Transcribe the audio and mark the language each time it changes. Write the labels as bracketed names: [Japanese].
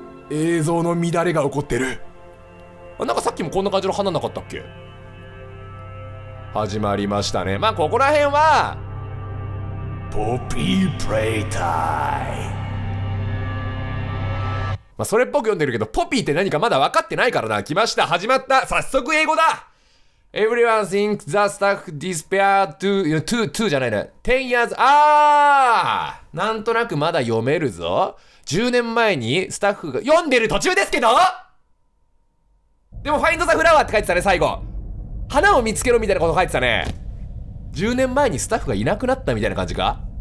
[Japanese] 映像の乱れが起こってる。あ、なんかさっきもこんな感じの花なかったっけ？始まりましたね。まあここら辺はポピープレイタイム。まあそれっぽく読んでるけど、ポピーって何かまだ分かってないからな。来ました、始まった。早速英語だ。 [English] Everyone thinks the staff disappeared to [Japanese] じゃないな、 [English] 10 years。 [Japanese] あー、なんとなくまだ読めるぞ。 10年前にスタッフが読んでる途中ですけど。でも [English] Find the flower [Japanese] って書いてたね、最後。花を見つけろみたいなこと書いてたね。10年前にスタッフがいなくなったみたいな感じか。